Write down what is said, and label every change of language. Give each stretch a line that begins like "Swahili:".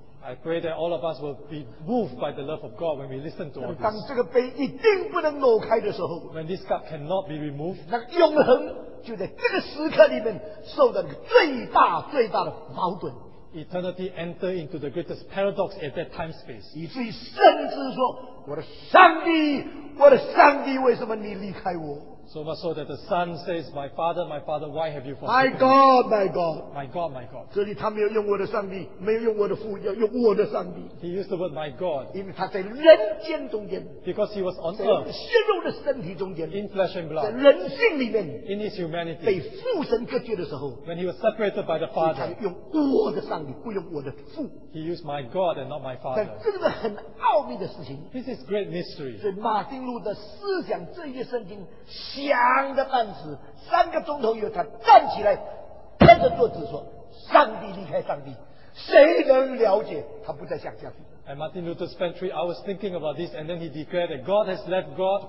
English: I pray that all of us will be moved by the love of God when we listen to all this.
Chinese: 当这个杯一定不能挪开的时候,
English: when this cup cannot be removed,
Chinese: 那永恒就在这个时刻里面受到最大最大的矛盾。
English: Eternity enter into the greatest paradox at that time space.
Chinese: 以至于甚至说, 我的上帝, 我的上帝, 为什么你离开我?
English: So much so that the son says, my father, why have you forsaken me? My God, my God. My God, my God.
Chinese: 这里他没有用我的上帝, 没有用我的父, 要用我的上帝。
English: He used the word my God.
Chinese: 因为他在人间中间,
English: because he was on earth.
Chinese: 在血肉的身体中间,
English: in flesh and blood.
Chinese: 在人性里面,
English: in his humanity.
Chinese: 被父神隔绝的时候,
English: when he was separated by the father.
Chinese: 所以他用我的上帝, 不用我的父。
English: He used my God and not my father.
Chinese: 但这个很奥秘的事情,
English: this is great mystery.
Chinese: 所以马丁路德思想, 这一圣经, 想的半死，三个钟头以后，他站起来，拍着桌子说：“上帝离开上帝，谁能了解？”他不再想下去。
English: And Martin Luther spent 3 hours thinking about this, and then he declared that God has left God.